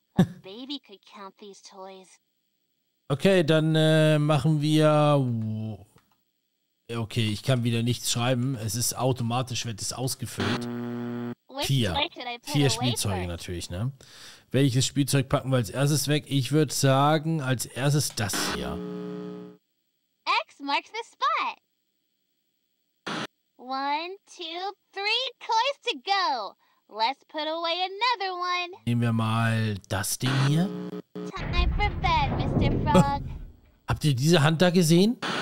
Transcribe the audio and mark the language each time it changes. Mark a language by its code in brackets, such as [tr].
[en] A baby could count these toys. [de] Okay, dann machen wir. Okay, ich kann wieder nichts schreiben. Es ist automatisch, wird es ausgefüllt. 4. 4 Spielzeuge natürlich, ne? Welches Spielzeug packen wir als erstes weg? Ich würde sagen, als erstes das hier. [en] X marks the spot. 1, 2, 3 toys to go. Let's put away another one. [de] Nehmen wir mal das Ding hier. [en] Time for bed, Mr. Frog. [de] Habt ihr diese Hand da gesehen?